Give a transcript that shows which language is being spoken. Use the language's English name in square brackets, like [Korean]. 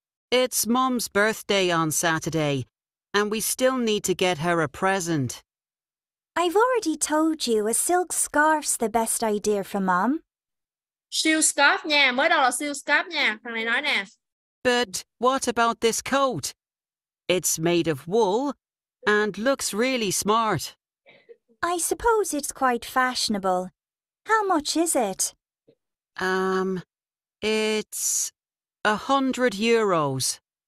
[English] It's Mom's birthday on Saturday, and we still need to get her a present. I've already told you a silk scarf's the best idea for Mom. [Vietnamese] Silk scarf nha, mới đầu là silk scarf nha, thằng này nói nè. [English] But what about this coat? It's made of wool and looks really smart. I suppose it's quite fashionable. How much is it? It's 100 euros.